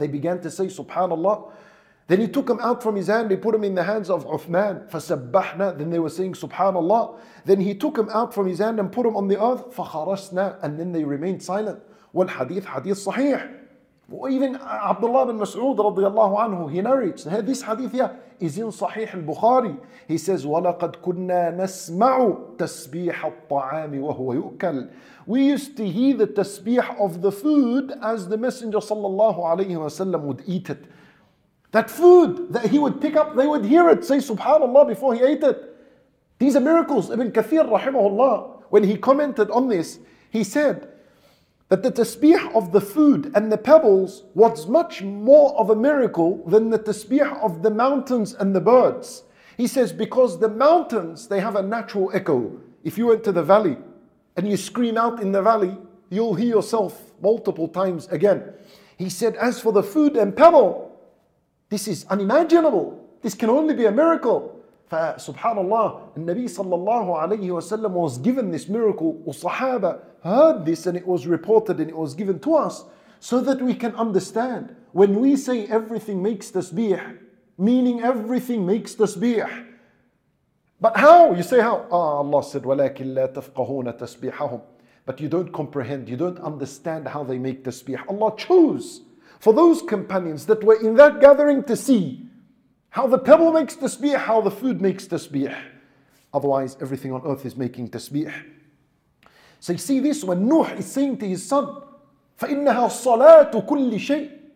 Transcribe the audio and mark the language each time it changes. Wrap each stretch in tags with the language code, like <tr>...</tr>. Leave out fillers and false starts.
<en>They began to say, subhanallah. Then he took them out from his hand, he put them in the hands of Uthman,</en> <ar>فَسَبَّحْنَا.</ar> <en>Then they were saying, subhanallah. Then he took them out from his hand and put them on the earth,</en> <ar>فَخَرَسْنَا,</ar> <en>and then they remained silent.</en> <ar>Wal hadith, hadith sahih.</ar> <en>Even Abdullah bin Mas'ud radiallahu anhu, he narrates, this hadith here is in Sahih al-Bukhari. He says,</en> <ar>وَلَقَدْ كُنَّا نَسْمَعُ تَسْبِيحَ الطَّعَامِ وَهُوَ يُؤْكَلْ.</ar> <en>We used to hear the tasbih of the food as the Messenger sallallahu alayhi wa sallam would eat it. That food that he would pick up, they would hear it say subhanallah before he ate it. These are miracles. Ibn Kathir rahimahullah, when he commented on this, he said that the tasbih of the food and the pebbles was much more of a miracle than the tasbih of the mountains and the birds. He says, because the mountains, they have a natural echo. If you went to the valley and you scream out in the valley, you'll hear yourself multiple times again. He said, as for the food and pebble, this is unimaginable. This can only be a miracle. Subhanallah, Nabi sallallahu alayhi wasallam was given this miracle. Sahaba heard this and it was reported and it was given to us so that we can understand. When we say everything makes tasbih, meaning everything makes tasbih. But how? You say how? Allah said,</en> <ar>وَلَكِنْ لَا تَفْقَهُونَ تَسْبِيحَهُمْ.</ar> <en>But you don't comprehend, you don't understand how they make tasbih. Allah chose for those companions that were in that gathering to see how the pebble makes tasbih, how the food makes tasbih. Otherwise, everything on earth is making tasbih. So you see this, when Nuh is saying to his son,</en> <ar>فَإِنَّهَا الصَّلَاةُ كُلِّ شَيْءٍ.</ar>